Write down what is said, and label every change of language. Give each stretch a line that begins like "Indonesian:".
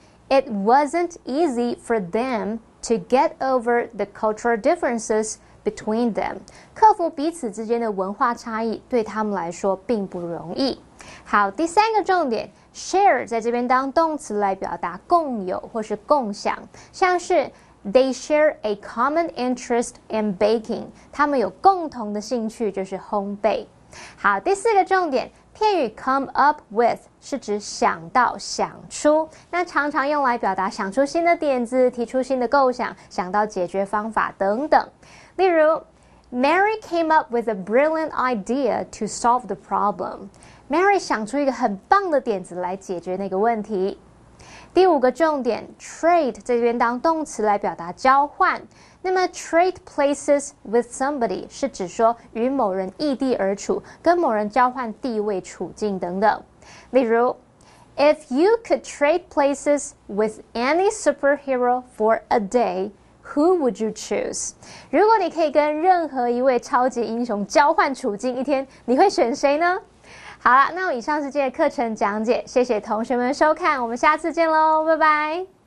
English: It wasn't easy for them to get over the cultural differences between them.
Chinese: 克服彼此之间的文化差异对他们来说并不容易。好，第三个重点 ,share 在这边当动词来表达共有或是共享。
English: 像是 ,they share a common interest in baking.
Chinese: 他们有共同的兴趣就是烘焙。好，第四个重点，片语 come up with 是指想到、想出，那常常用来表达想出新的点子、提出新的构想、想到解决方法等等。
English: 例如 ，Mary came up with a brilliant idea to solve the problem.
Chinese: Mary 想出一个很棒的点子来解决那个问题。第五个重点 ，trade 这边当动词来表达交换。那么
English: trade places with somebody
Chinese: 是指说与某人异地而处，跟某人交换地位、处境等等。
English: 例如 ，If you could trade places with any superhero for a day, who would you choose?
Chinese: 如果你可以跟任何一位超级英雄交换处境一天，你会选谁呢？好了，那我以上是今天的课程讲解，谢谢同学们收看，我们下次见喽，拜拜。